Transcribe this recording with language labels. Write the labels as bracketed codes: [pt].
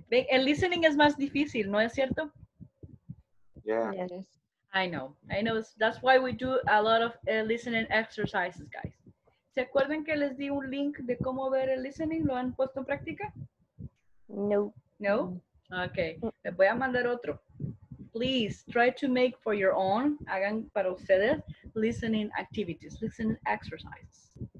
[es] El listening es más difícil, ¿no es cierto? [en] Yeah. Yes. I know. That's why we do a lot of listening exercises, guys. [es] ¿Se acuerdan que les di un link de cómo ver el listening? ¿Lo han puesto en práctica? No. [en] No? Okay. [es] Le voy a mandar otro. [en] Please try to make for your own, [es] hagan para ustedes, [en] listening activities, listening exercises.